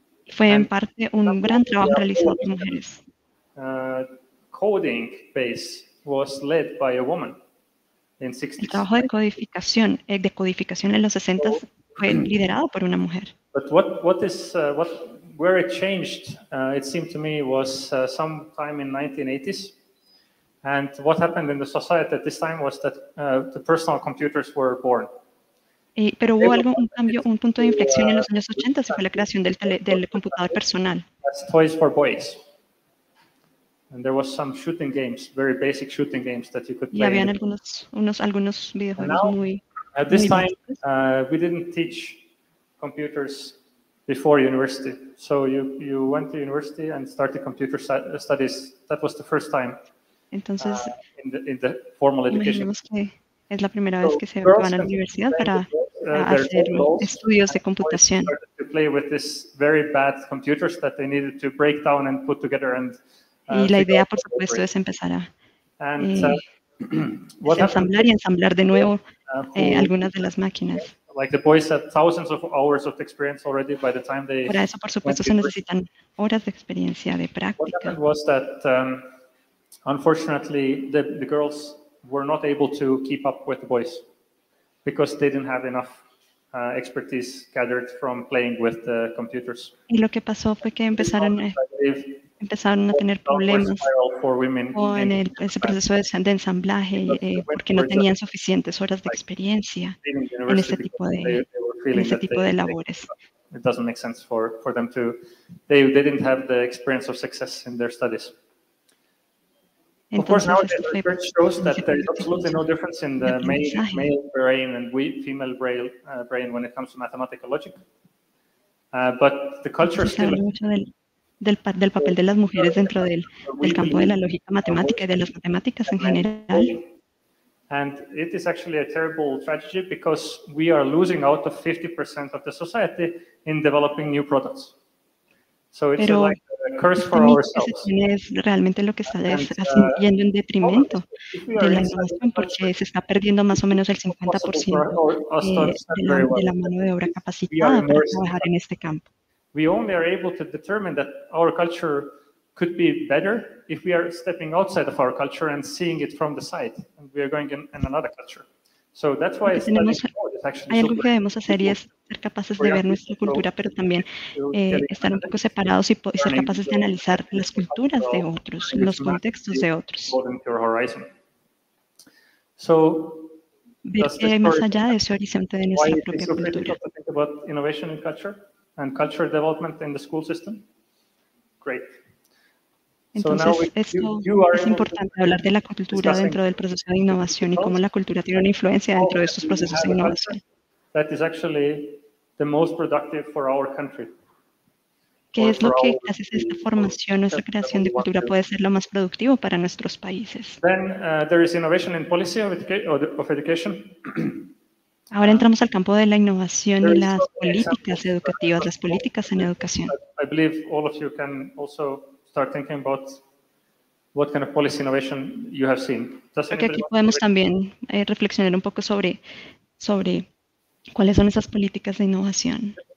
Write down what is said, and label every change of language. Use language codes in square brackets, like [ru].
[es] Fue en parte un gran trabajo realizado por mujeres. [en] Coding base was led by a woman in 60s. [es] El trabajo de codificación en los 60s fue liderado por una mujer. [en] But what where it changed, it seemed to me, was sometime in 1980s. And what happened in the society at this time was that the personal computers were born. [es] Pero hubo algo, un cambio, un punto de inflexión en los años 80, se fue la creación del computador personal. [en] That's toys for boys. And there was some shooting games, very basic shooting games that you could play. [es] Y habían algunos videojuegos [en] now, [es] muy [en] at this time, we didn't teach computers before university. So you went to university and started computer studies. That was the first time. [es] Entonces [en] in the formal education. [es] Es la primera vez que se van a la universidad para hacer estudios de computación. [en] Play with this very bad computers that they needed to break down and put together and [es] y la idea, por supuesto, es empezar a ensamblar y ensamblar de nuevo algunas de las máquinas. [en] Like the boys had thousands of hours of experience already by the time they. [es] Para eso, por supuesto, se necesitan horas de experiencia de práctica. [en] Was that unfortunately the girls were not able to keep up with the boys because they didn't have enough expertise gathered from playing with the computers. [es] Y lo que pasó fue que empezaron a tener problemas en ese proceso de ensamblaje porque no tenían suficientes horas de experiencia en ese tipo de labores. [en] It doesn't make sense for them to. They didn't have the experience of success in their studies. [es] Entonces, [en] of course, nowadays research shows that there is absolutely no difference in the male brain and female brain when it comes to mathematical logic. But the culture still. [es] Se habla mucho del papel de las mujeres dentro del campo de la lógica matemática y de las matemáticas en general. [en] And it is actually a terrible tragedy because we are losing out of 50% of the society in developing new products. So it's [es] pero [en] a curse for ourselves. [es] Es realmente lo que está haciendo en detrimento de la innovación porque se está perdiendo más o menos el 50% de la mano de obra capacitada para trabajar en este campo. [en] We only are able to determine that our culture could be better if we are stepping outside of our culture and seeing it from the side and we are going in another culture. So that's why [es] hay algo que debemos hacer y es ser capaces de ver nuestra cultura, pero también estar un poco separados y ser capaces de analizar las culturas de otros, los contextos de otros. Ver que hay más allá de ese horizonte de nuestra propia cultura. [en] Innovation in culture development in the school system. Great. [es] Entonces, es importante hablar de la cultura dentro del proceso de innovación y cómo la cultura tiene una influencia dentro de estos procesos de innovación. [en] That is actually the most productive for our country. [es] ¿Qué es lo que, gracias a esta formación, nuestra creación de cultura puede ser lo más productivo para nuestros países? [en] Then, there is innovation in policy of education. [es] Ahora entramos al campo de la innovación y las políticas educativas, las políticas en educación. [en] I believe all of you can also start thinking about what kind of policy innovation you have seen. [es] Porque aquí podemos también reflexionar un poco sobre cuáles son esas políticas de innovación.